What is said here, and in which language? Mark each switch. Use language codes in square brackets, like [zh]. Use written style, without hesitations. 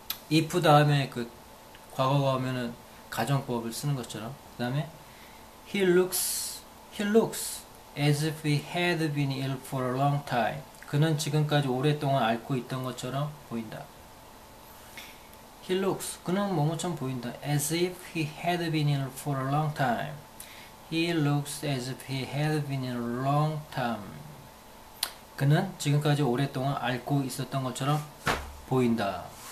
[en] if [ko] 다음에 그 과거가 오면은 가정법을 쓰는 것처럼 그다음에 [en] he looks as if he had been ill for a long time. [ko] 그는 지금까지 오랫동안 앓고 있던 것처럼 보인다. [en] He looks [ko] 그는 뭐뭐처럼 보인다. [en] As if he had been ill for a long time. He looks as if he had been ill a long time. [ko] 그는 지금까지 오랫동안 앓고 있었던 것처럼 보인다.